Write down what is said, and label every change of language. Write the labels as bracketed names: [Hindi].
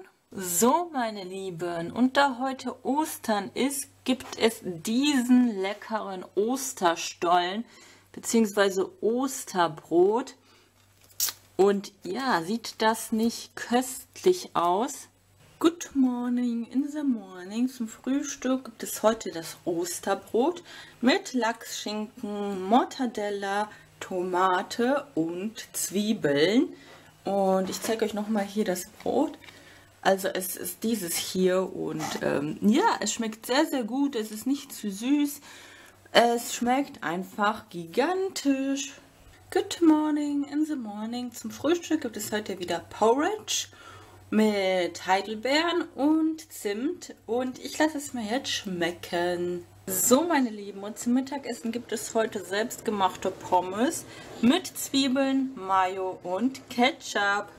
[German] So, meine Lieben, und da heute Ostern ist, gibt es diesen leckeren Osterstollen bzw. Osterbrot. Und ja, sieht das nicht köstlich aus? [English] Good morning, in the morning. [German] Zum Frühstück gibt es heute das Osterbrot mit Lachsschinken, Mortadella, Tomate und Zwiebeln. Und ich zeige euch nochmal hier das Brot. Also es ist dieses hier und ja, es schmeckt sehr, sehr gut. Es ist nicht zu süß. Es schmeckt einfach gigantisch. [English] Good morning, in the morning. [German] Zum Frühstück gibt es heute wieder Porridge mit Heidelbeeren und Zimt. Und ich lasse es mir jetzt schmecken. So, meine Lieben, und zum Mittagessen gibt es heute selbstgemachte Pommes mit Zwiebeln, Mayo und Ketchup.